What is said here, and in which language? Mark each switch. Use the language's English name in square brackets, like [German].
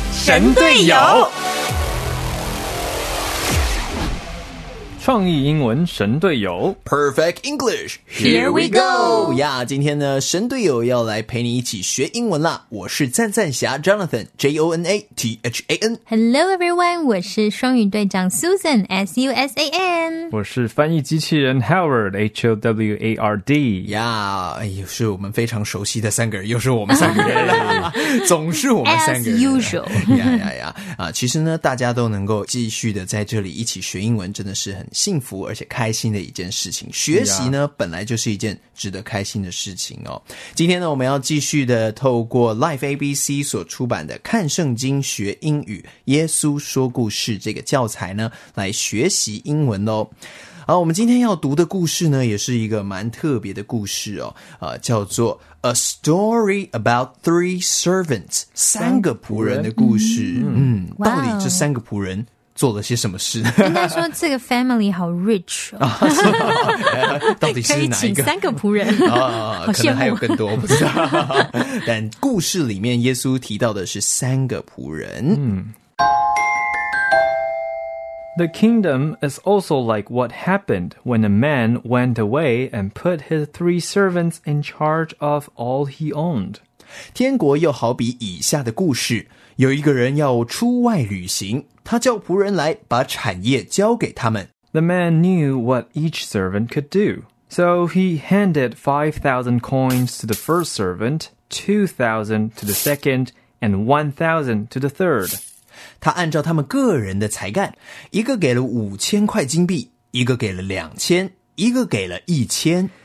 [Chinese] 神队友。创意英文神队友 [English] Perfect English Here we go [Chinese] 呀，今天呢神队友要来陪你一起学英文啦，我是赞赞侠 Jonathan J-O-N-A-T-H-A-N [English] Hello everyone， [Chinese] 我是双语队长 Susan S-U-S-A-N，我是翻译机器人 Howard H-O-W-A-R-D 呀，又是我们非常熟悉的三个人，又是我们三个人啦总是我们三个人 [English] As usual [Chinese] 其实呢大家都能够继续的在这里一起学英文，真的是很幸福而且开心的一件事情，学习呢本来就是一件值得开心的事情哦。今天呢我们要继续的透过 Life ABC 所出版的看圣经学英语耶稣说故事这个教材呢来学习英文哦。好，我们今天要读的故事呢也是一个蛮特别的故事哦，叫做 A Story About Three Servants， 三个仆人的故事。到底这三个仆人做了些什么事？应该说这个 family 好 rich 哦，到底是哪一个？可以请三个仆人好羡慕，可能还有更多不知道。但故事里面耶稣提到的是三个仆人。 [English] The kingdom is also like what happened when a man went away and put his three servants in charge of all he owned. [Chinese] 天国又好比以下的故事，有一个人要出外旅行，他叫仆人来把产业交给他们。 [English] The man knew what each servant could do, so he handed 5,000 coins to the first servant, 2,000 to the second, and 1,000 to the third. [Chinese] 他按照他们个人的才干，一个给了5,000块金币，一个给了2,000，一个给了1,000。